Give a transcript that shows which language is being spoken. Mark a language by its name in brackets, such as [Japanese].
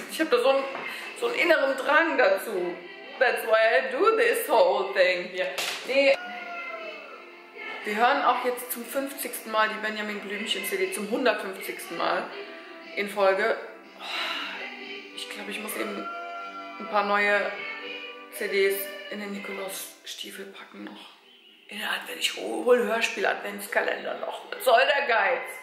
[German] Ich habe da so einen inneren Drang dazu. [English] That's why I do this whole thing here. [German] Nee. Wir hören auch jetzt zum 50. Mal die Benjamin Blümchen-CD, zum 150. Mal in Folge. Ich glaube, ich muss eben ein paar neue CDs in den Nikolaus-Stiefel packen noch. In der Advent, ich hole Hörspiel-Adventskalender noch. Was soll der Geiz?